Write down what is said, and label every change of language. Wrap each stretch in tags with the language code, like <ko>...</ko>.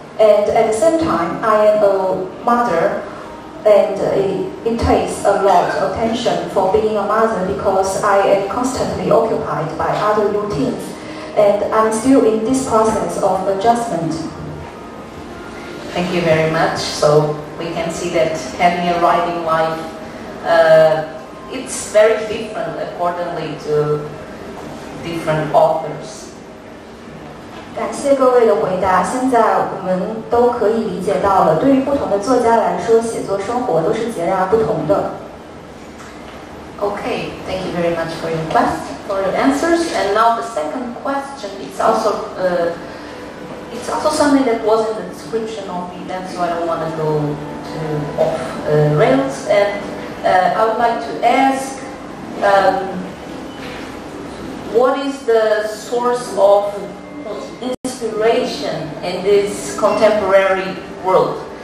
<en>And at the same time, I am a mother. And it takes a lot of attention for being a mother because I am constantly occupied by other routines and I'm still in this process of adjustment. Thank you very much. So we can see that having a writing life, it's very different accordingly to different authors.</en> <zh>感谢各位的回答。现在我们都可以理解到了，对于不同的作家来说，写作生活都是截然不同的。</zh> <en>Okay, thank you very much for your question, for your answers. And now the second question is also something that was in the description of the event, so I don't want to go to off rails. And I would like to ask, what is the source of inspiration in this contemporary world?</en>